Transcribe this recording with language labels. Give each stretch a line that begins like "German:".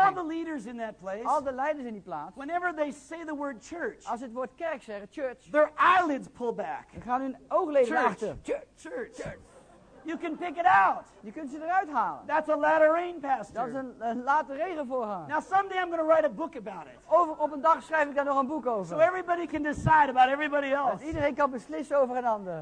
English: All the leaders in that place,
Dutch: al de leiders in die plaats.
English: Whenever they say the word church,
Dutch: als het woord kerk zeggen, church,
English: their eyelids pull back.
Dutch: Dan gaan hun oogleden
English: church,
Dutch: achter.
English: Church. You can pick it out.
Dutch: Je kunt ze eruit halen.
English: That's a latter rain pastor.
Dutch: Dat is een late regen voorganger.
English: Now someday I'm going to write a book about it.
Dutch: Op een dag schrijf ik daar nog een boek over.
English: So everybody can decide about everybody else.
Dutch: Dat iedereen kan beslissen over een ander.